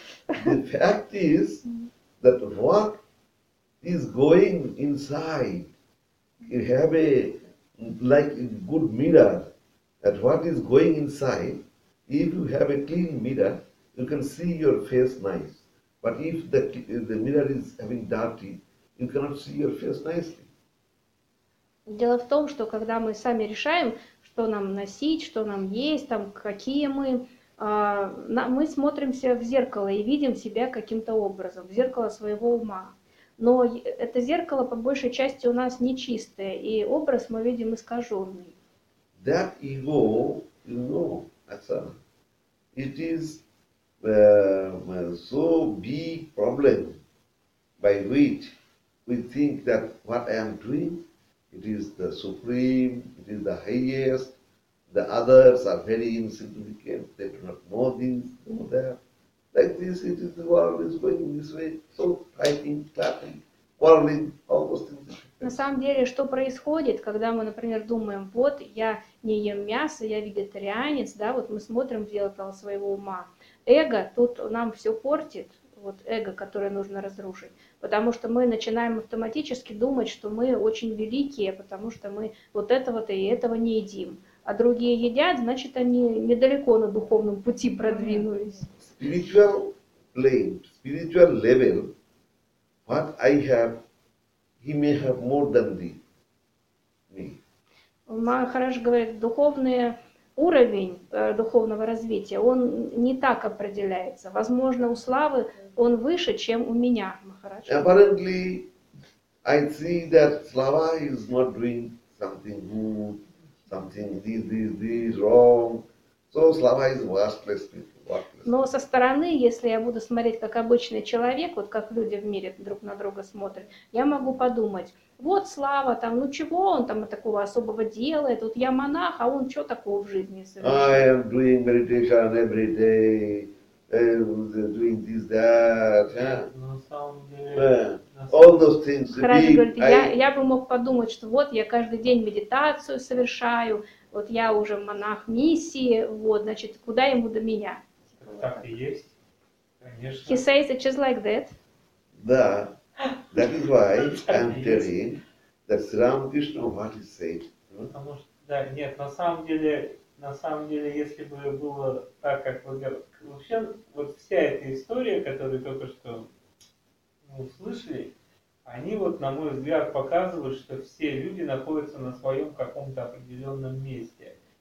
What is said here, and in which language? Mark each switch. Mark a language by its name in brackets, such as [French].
[English] The fact is that what is going inside, you have a like a good mirror, that what is going inside, if you have a clean mirror, you can see your face nice. But if the mirror is having dirty, you cannot see your face nicely. [Russian] Дело в том, что когда мы сами решаем, что нам носить, что нам есть, там какие мы. Мы смотримся в зеркало и видим себя каким-то образом, в зеркало своего ума. Но это зеркало по большей части у нас нечистое, и образ мы видим искаженный. [English] That ego, you know, Asana, it is so big problem by which we think that what I am doing, it is the supreme, it is the highest, the others are very insignificant, they do not know this, know that. Like this, it is the world is going this way, so fighting, clapping, quarreling, all those things. [Russian] На самом деле, что происходит, когда мы, например, думаем, вот я не ем мясо, я вегетарианец, да, вот мы смотрим в зеркало своего ума. Эго тут нам все портит, вот эго, которое нужно разрушить, потому что мы начинаем автоматически думать, что мы очень великие, потому что мы вот этого-то и этого не едим. А другие едят, значит, они недалеко на духовном пути продвинулись. [English] Spiritual plane, spiritual level, what I have, he may have more than me. [Russian] Махараш говорит, духовный уровень духовного развития, он не так определяется. Возможно, у Славы он выше, чем у меня, Махараш. [English] Apparently, I see that Slava is not doing something good, something this wrong. So Slava is worthless people. [Russian] Но со стороны, если я буду смотреть как обычный человек, вот как люди в мире друг на друга смотрят, я могу подумать, вот Слава там, ну чего он там такого особого делает, вот я монах, а он что такого в жизни совершает? [English] I am doing meditation every day, doing this, that, all those things. [Russian] Харадж говорит, я бы мог подумать, что вот я каждый день медитацию совершаю, вот я уже монах миссии, вот, значит, куда ему до меня? Так и есть, конечно. [English] He says it just like that. [Russian] Да, [English] that is why I'm telling that Sri Ramakrishna what he said. [Russian] Потому что, да, нет, на самом деле, если бы было так, как вы говорите, вообще, вот вся эта история, которую только что услышали, они вот, на мой взгляд, показывают, что все люди находятся на своем каком-то определенном месте.